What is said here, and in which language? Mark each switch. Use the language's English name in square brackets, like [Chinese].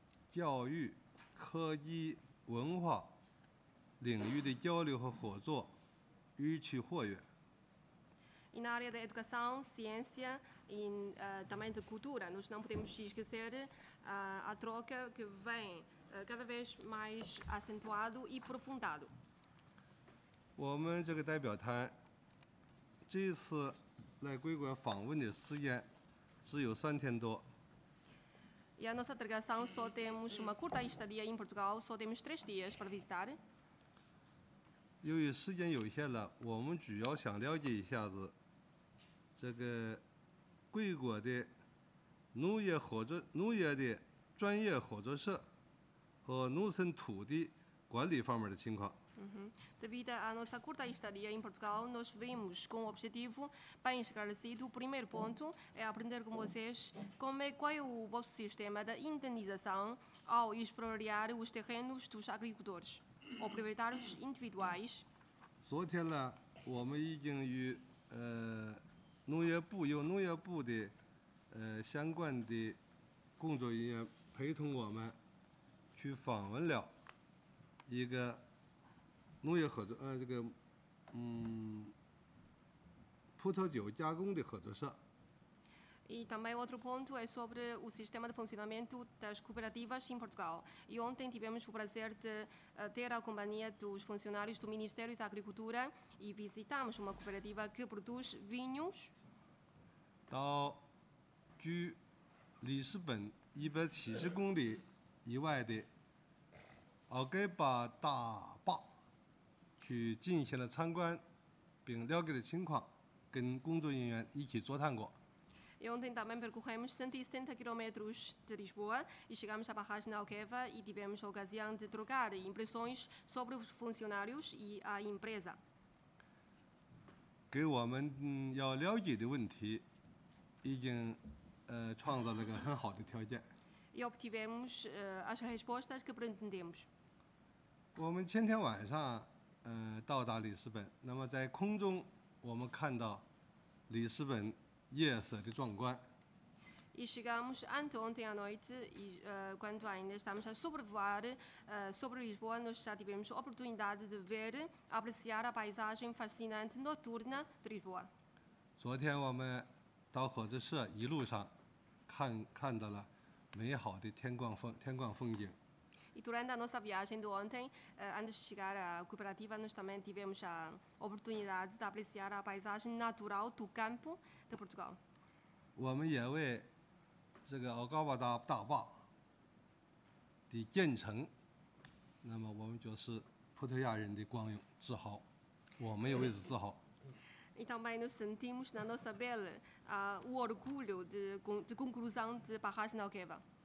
[Chinese] 教育、科技、文化领域的交流和合作日趋活跃。 [Portuguese] E na área da educação, ciência e também da cultura, nós não podemos esquecer a troca que vem cada vez mais acentuado e aprofundado. [Chinese] 我们这个代表团这次来贵国访问的时间只有3天多。 [Portuguese] E a nossa delegação só temos uma curta estadia em Portugal, só temos 3 dias para visitar. [Chinese] 由于时间有限了，我们主要想了解一下子这个贵国的农业合作、农业的专业合作社和农村土地管理方面的情况。 [Portuguese] Devido à nossa curta estadia em Portugal, nós vimos com o objetivo bem esclarecido. O primeiro ponto é aprender com vocês qual é o vosso sistema de indenização ao expropriar os terrenos dos agricultores ou proprietários individuais. [Chinese] 昨天呢，我们已经与农业部有农业部的相关的工作人员陪同我们去访问了一个。农业合作，这个，葡萄酒加工的合作社。 [Portuguese] E também outro ponto é sobre o sistema de funcionamento das cooperativas em Portugal. E ontem tivemos o prazer de ter a companhia dos funcionários do Ministério da Agricultura e visitamos uma cooperativa que produz vinhos. [Chinese] 到距里斯本170公里以外的奥盖巴大坝。去进行了参观，并了解了情况，跟工作人员一起座谈过。 [Portuguese] E ontem também percorremos 170 km de Lisboa e chegamos à barragem da Alqueva e tivemos a ocasião de trocar impressões sobre os funcionários e a empresa. [Chinese] 给我们要了解的问题，已经创造了个很好的条件。 [Portuguese] E obtivemos as respostas que pretendemos. [Chinese] 我们前天晚上。到达里斯本，那么在空中我们看到里斯本夜色的壮观。 [Portuguese] E chegamos anteontem à noite e quando ainda estávamos a sobrevoar sobre Lisboa, nós já tivemos a oportunidade de ver, apreciar a paisagem fascinante noturna de Lisboa. [Chinese] 昨天我们到合作社一路上看到了美好的天光风景。 [Portuguese] E durante a nossa viagem de ontem, antes de chegar à cooperativa, nós também tivemos a oportunidade de apreciar a paisagem natural do campo de Portugal. E também nos sentimos na nossa pele o orgulho de conclusão de barragem da Alqueva.